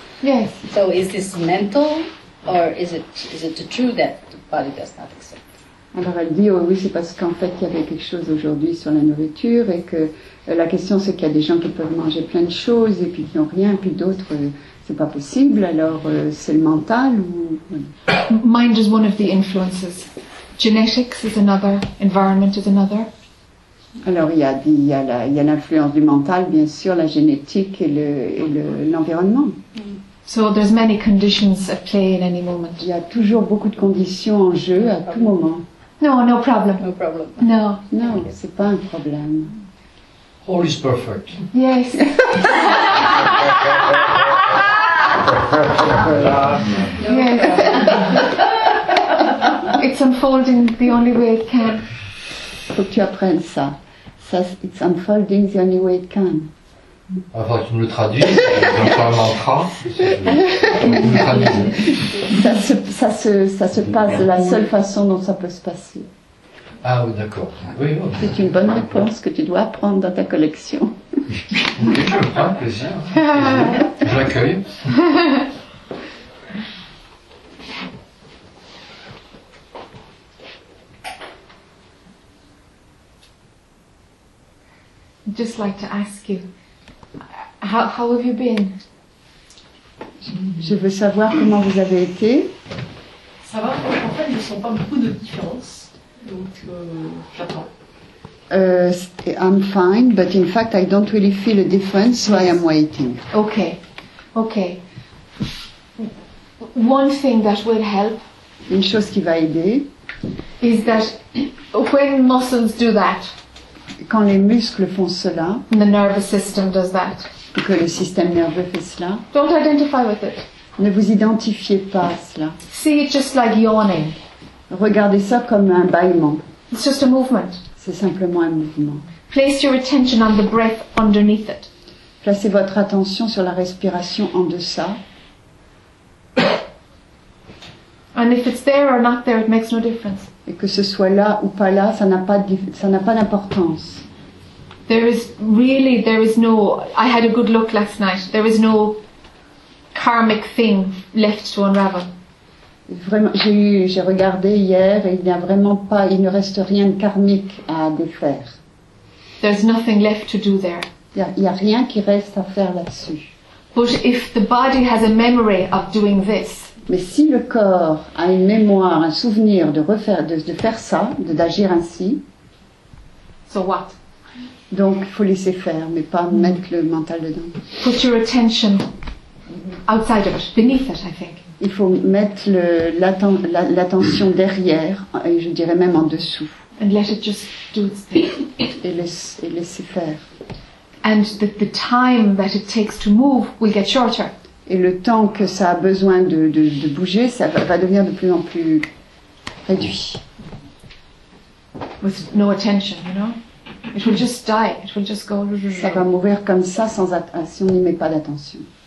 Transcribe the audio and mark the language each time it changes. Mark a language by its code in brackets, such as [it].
[en] Yes. So is this mental, or is it the truth that the body does not accept? [fr] Alors elle dit, oh oui, c'est parce qu'en fait il y avait quelque chose aujourd'hui sur la nourriture et que la question c'est qu'il y a des gens qui peuvent manger plein de choses et puis qui n'ont rien, puis d'autres, c'est pas possible, alors c'est le mental ou... [en] Mind is one of the influences. Genetics is another, environment is another. [fr] Alors il y a l'influence du mental, bien sûr, la génétique et l'environnement. [en] So there's many conditions at play in any moment. [fr] Il y a toujours beaucoup de conditions en jeu à tout moment. [en] No problem. No, [fr] c'est pas un problème. [en] All is perfect. Yes. Yes. It's unfolding the only way it can. [fr] Faut que tu apprennes ça. Ça, [en] it's unfolding the only way it can. [fr] Alors tu nous le traduis, c'est un mantra. Ça se passe de la seule façon dont ça peut se passer. Ah oui, d'accord. Oui, bon. C'est une bonne réponse que tu dois apprendre dans ta collection. Oui, je le prends, plaisir. Je l'accueille. [en] I'd just like to ask you. How have you been? [fr] Je veux savoir comment vous avez été. Ça va, en fait, je ne sens pas beaucoup de différence, donc j'attends. [en] I'm fine, but in fact, I don't really feel a difference, so I am waiting. Okay. One thing that will help. [fr] Une chose qui va aider. [en] Is that when muscles do that? [fr] Quand les muscles font cela. [en] The nervous system does that. [fr] Que le système nerveux fait cela. [en] Don't identify with it. [fr] Ne vous identifiez pas à cela. [en] See it just like yawning. [fr] Regardez ça comme un bâillement. [en] It's just a movement. [fr] C'est simplement un mouvement. [en] Place your attention on the breath underneath it. [fr] Placez votre attention sur la respiration en deçà. [en] And if it's there or not there, it makes no difference. [fr] Et que ce soit là ou pas là, ça n'a pas d'importance. [en] There is no. I had a good look last night. There is no karmic thing left to unravel. [fr] Vraiment, j'ai regardé hier et il n'y a vraiment pas, il ne reste rien de karmique à défaire. [en] There's nothing left to do there. [fr] Il y a rien qui reste à faire là-dessus. [en] But if the body has a memory of doing this. [fr] Mais si le corps a une mémoire, un souvenir d'agir ainsi. [en] So what? [fr] Donc, il faut laisser faire, mais pas mettre le mental dedans. [en] Put your attention outside of it, beneath it, I think. [fr] Il faut mettre l'attention derrière, et je dirais même en dessous. [en] And let it just do its thing. [fr] Et laisser faire. [en] And the time that it takes to move will get shorter. [fr] Et le temps que ça a besoin de bouger, ça va devenir de plus en plus réduit. [en] With no attention, you know? It will just die. It will just go. [fr] Ça va mourir comme ça sans si on n'y met pas d'attention.